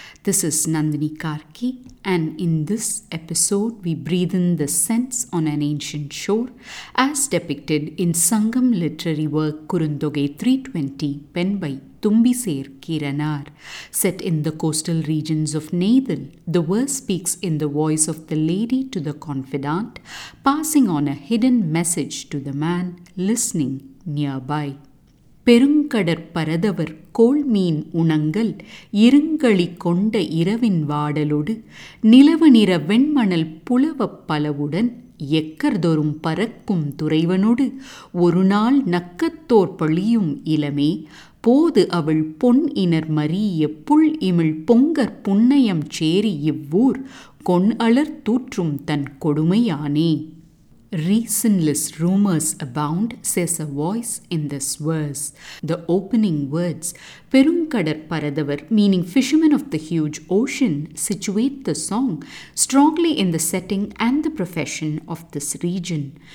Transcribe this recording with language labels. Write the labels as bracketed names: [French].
[English] This is Nandini Karki, and in this episode we breathe in the scents on an ancient shore as depicted in Sangam literary work Kurundogai 320 penned by Thumbisere Keeranar. Set in the coastal regions of Nathal, the verse speaks in the voice of the lady to the confidant, passing on a hidden message to the man listening nearby. [Tamil] பெருங்கடற் பரதவர் கோள்மீன் உணங்கள் இருங்களி கொண்ட இரவின் வாடலோடு நிலவு நிற வெண்மணல் புலவப் பலவுடன் எக்கர்தோறும் பறக்கும் துறைவனோடு ஒரு நாள் நக்கத்தோர் பழியும் இளமே போது அவள் பொன் இனர் மறிய புல் இமிழ் பொங்கற் புன்னயம் சேரி இவ்வூர் கொன் அளர் தூற்றும் தன் கொடுமையானே. [English] Reasonless rumors abound, says a voice in this verse. The opening words, Perunkadar Paradavar, meaning fishermen of the huge ocean, situate the song strongly in the setting and the profession of this region.